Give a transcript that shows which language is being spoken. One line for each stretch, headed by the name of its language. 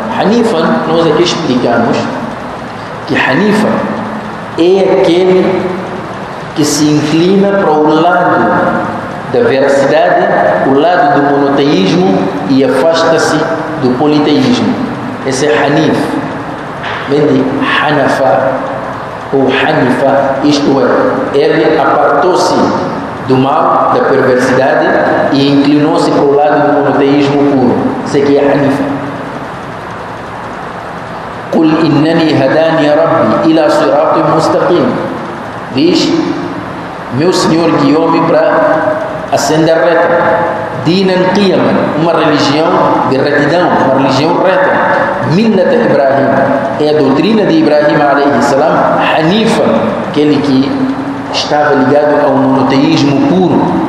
Portuguese: Hanifa, nós aqui explicamos que Hanifa é aquele que se inclina para o lado da veracidade, o lado do monoteísmo e afasta-se do politeísmo. Esse é Hanif. Vem de Hanafa ou Hanifa, isto é, ele apartou-se do mal, da perversidade e inclinou-se para o lado do monoteísmo puro. Isso aqui é Hanifa.
Arabic: قل إنني هداني ربي إلى صراط مستقيم.
Portuguese: Diz, meu Senhor guiou-me para acender reta. Dinan Qiyaman, uma religião de retidão, uma religião reta. Millat Ibrahim, é a doutrina de Ibrahim alayhi salam, Hanifa, aquele que estava ligado ao monoteísmo puro.